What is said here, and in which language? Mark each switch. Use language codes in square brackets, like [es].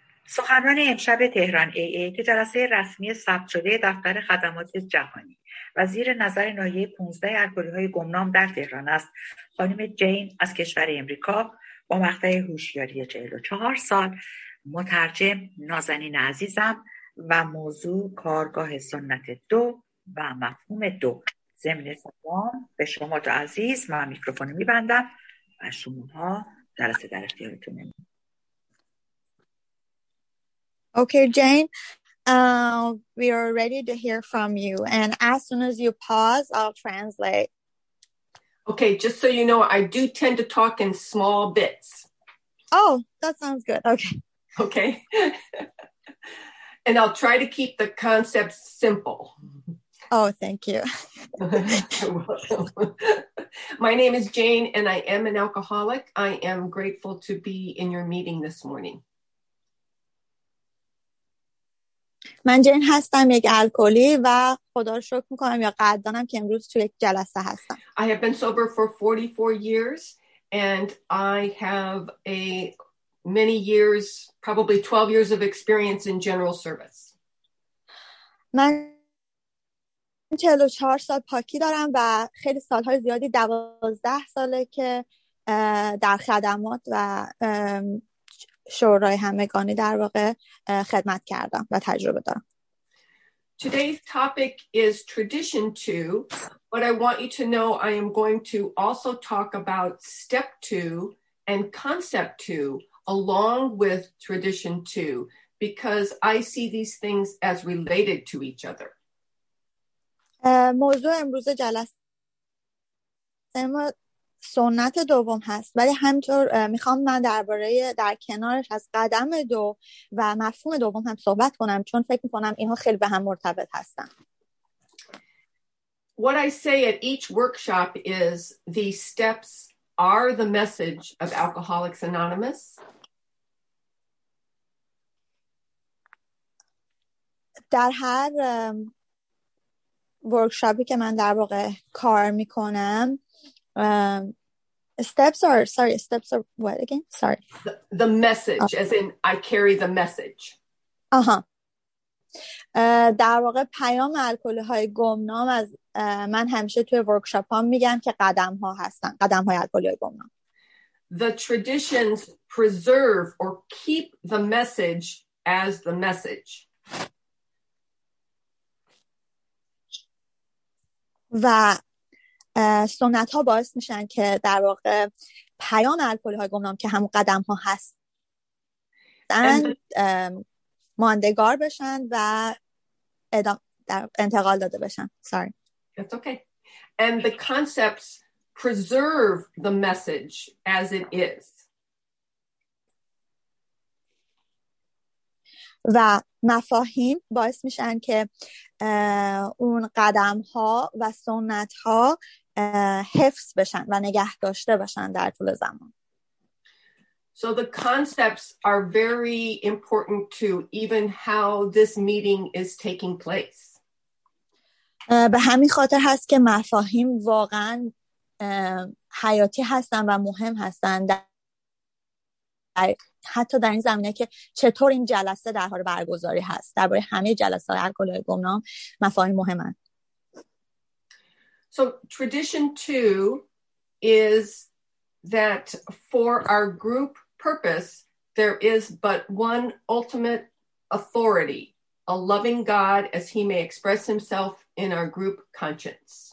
[fa] سخنران امشب تهران ای ای که جلسه رسمی ثبت شده دفتر خدمات جهانی و زیر نظر ناحیه 15 الگوریتم‌های گمنام در تهران است، خانم جین از کشور امریکا با مقطع هوشیاری 44 سال، مترجم نازنین عزیزم و موضوع کارگاه سنت دو و مفهوم دو. ضمن سلام به شما تو عزیز، من میکروفون میبندم و شما جلسه در اختیارتونه. [en] Okay, Jane, we are ready to hear from you. And as soon as you pause, I'll translate. Okay, just so you know, I do tend to talk in small bits. Oh, that sounds good. Okay. Okay. And I'll try to keep the concepts simple. Oh, thank you. You're welcome. My name is Jane, and I am an alcoholic. I am grateful to be in your meeting this morning. [fa] من جین هستم، یک الکلی و خدا رو شکر میکنم یا قدردانم که امروز تو یک جلسه هستم. [en] I have been sober for 44 years and I have a many years, probably 12 years of experience in general service. [fa] من 44 سال پاکی دارم و خیلی سالهای زیادی 12 ساله که در خدمات و شورای همگانی در واقع خدمت کردم و تجربه دارم. [en] Today's topic is tradition two, but I want you to know I am going to also talk about step two and concept two along with tradition two because I see these things as related to each other. [fa] موضوع امروز جلسه ما سنت دوم هست، ولی همینطور میخوام من درباره در کنارش از قدم دو و مفهوم دوم هم صحبت کنم، چون فکر میکنم اینها خیلی به هم مرتبط هستن. [en] What I say at each workshop is the steps are the message of Alcoholics Anonymous. [fa] در هر ورکشاپی که من در واقع کار میکنم [en] steps are what again? The message, as in I carry the message. [fa] در واقع پیام الکلی‌های گمنام از من همیشه توی ورکشاپ هم میگم که قدم ها هستن، قدم های الکلی‌های گمنام. [en] The traditions preserve or keep the message as the message. [fa] و سنت ها باعث میشن که در واقع پیام الکلی های گمنام که همون قدم ها هستن ماندگار بشن و انتقال داده بشن. [en] Sorry. That's okay. And the concepts preserve the message as it is. [fa] و مفاهیم باعث میشن که اون قدم ها و سنت ها حفظ بشن و نگه داشته بشن در طول زمان. [en] So the concepts are very important to even how this meeting is taking place. [fa] به همین خاطر هست که مفاهیم واقعا حیاتی هستن و مهم هستن حتی در این زمینه که چطور این جلسه در حال برگزاری هست. درباره همه جلسات الکلی‌های گمنام مفاهیم مهمن. [en] So tradition two is that for our group purpose, there is but one ultimate authority, a loving God as he may express himself in our group conscience.